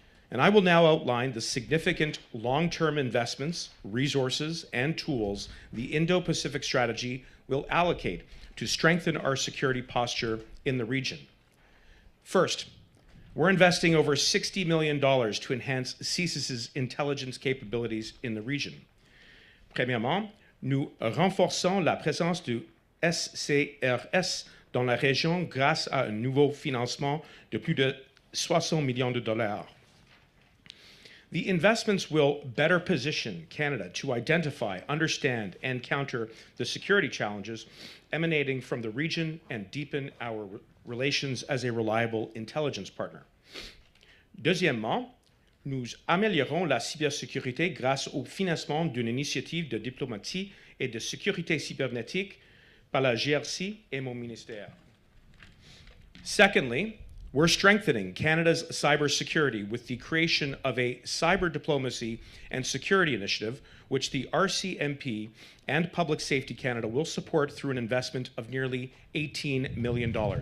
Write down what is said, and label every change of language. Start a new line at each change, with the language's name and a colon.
English: And I will now outline the significant long-term investments, resources, and tools the Indo-Pacific strategy will allocate to strengthen our security posture in the region. First, we're investing over $60 million to enhance CSIS's intelligence capabilities in the region.
French: Premièrement, nous renforçons la présence du SCRS dans la région grâce à un nouveau financement de plus de 60 millions de dollars.
English: The investments will better position Canada to identify, understand, and counter the security challenges emanating from the region and deepen our relations as a reliable intelligence partner.
French: Deuxièmement, nous améliorons la cybersécurité grâce au financement d'une initiative de diplomatie et de sécurité cybernétique par la GRC et mon ministère.
English: Secondly, we're strengthening Canada's cybersecurity with the creation of a cyber diplomacy and security initiative, which the RCMP and Public Safety Canada will support through an investment of nearly $18 million.